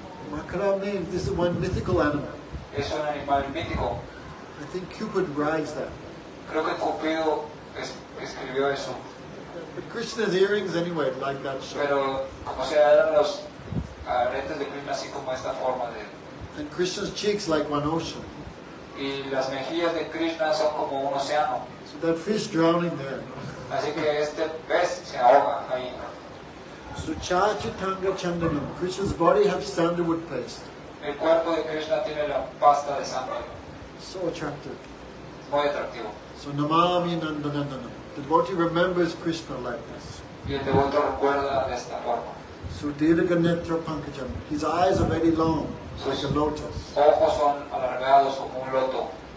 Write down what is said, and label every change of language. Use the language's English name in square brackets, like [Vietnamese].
[English] Makaram means this is one mythical animal. [Spanish] Es un animal mítico. [English] I think Cupid rides that. [Spanish] Creo que Cupido escribió eso. [English] But Krishna's earrings, anyway, like that shark. [Spanish] Pero como sea, eran los aretes de Krishna así como esta forma de. [English] And Krishna's cheeks like one ocean. [Spanish] Y y las mejillas de Krishna son como un océano. [English] So that fish drowning there. [Spanish] Así que este pez se ahoga ahí. [English] So [Sanskrit] chachitanga chandanam, [English] Krishna's body has sandalwood paste. [Spanish] El cuerpo de Krishna tiene la pasta de sandalwood. [English] So attractive. [Spanish] Muy atractivo. [Sanskrit] So namami nandanandanam. [English] The devotee remembers Krishna like this. [Spanish] Y el devoto recuerda de esta forma. [Sanskrit] Sudirga netra pankajam. [English] His eyes are very long, sus like a lotus. [Spanish] Ojos son alargados como un loto.